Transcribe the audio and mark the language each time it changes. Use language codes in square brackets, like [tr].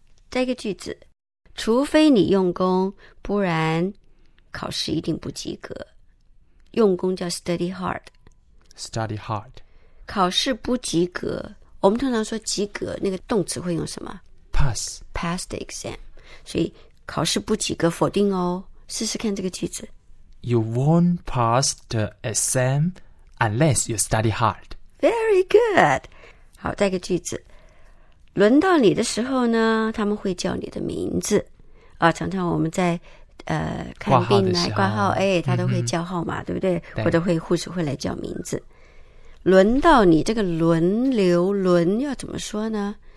[zh] 这个句子，除非你用功，不然考试一定不及格。用功叫 [en] study hard. Study hard. [zh] 考试不及格，我们通常说及格，那个动词会用什么？ [en] Pass. Pass the exam. [zh] 所以考试不及格，否定哦。试试看这个句子。 [en] You won't pass the exam unless you study hard. Very good. [zh] 好，再一个句子，轮到你的时候呢，他们会叫你的名字啊。常常我们在看病来挂号，哎，他都会叫号码，嗯嗯，对不对？对，或者会护士会来叫名字。轮到你这个轮流轮要怎么说呢？